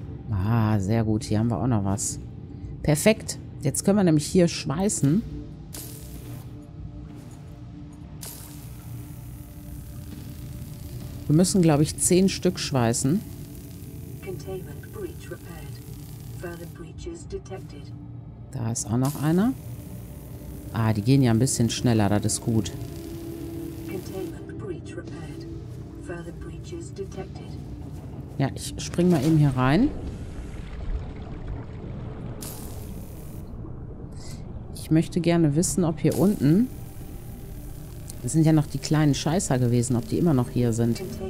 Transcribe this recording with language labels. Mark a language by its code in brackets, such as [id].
[de] Ah, sehr gut. Hier haben wir auch noch was. Perfekt. Jetzt können wir nämlich hier schweißen. Wir müssen, glaube ich, 10 Stück schweißen. [en] Containment breach repaired. Further breaches detected. [de] Da ist auch noch einer. Ah, die gehen ja ein bisschen schneller. Das ist gut. [en] Containment breach repaired. Further breaches detected. [de] Ja, ich spring mal eben hier rein. Ich möchte gerne wissen, ob hier unten... Das sind ja noch die kleinen Scheißer gewesen, ob die immer noch hier sind.